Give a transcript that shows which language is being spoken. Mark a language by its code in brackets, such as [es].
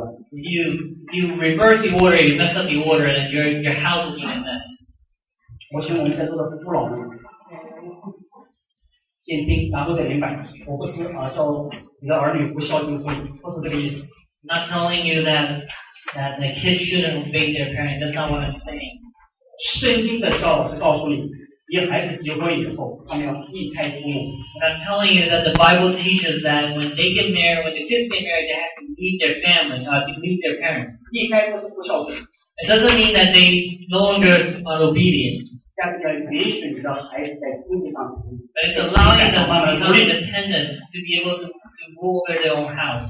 [en] You reverse the order, you mess up the order, and your house will be a mess. [zh] 我请我们在座的父老们先听，然后再明白。我不是啊，叫你的儿女不孝敬父母，不是这个意思。 [en] Not telling you that the kids shouldn't obey their parents. That's not what I'm saying. [zh] 圣经的教导是告诉你，一个孩子结婚以后，他们要离开父母。 [en] But I'm telling you that the Bible teaches that when they get married, when the kids get married, they have to leave their family, to leave their parents. [zh] 离开不是不孝敬。 [en] It doesn't mean that they no longer are obedient. But it's allowing them to become independent to be able to rule over their own house.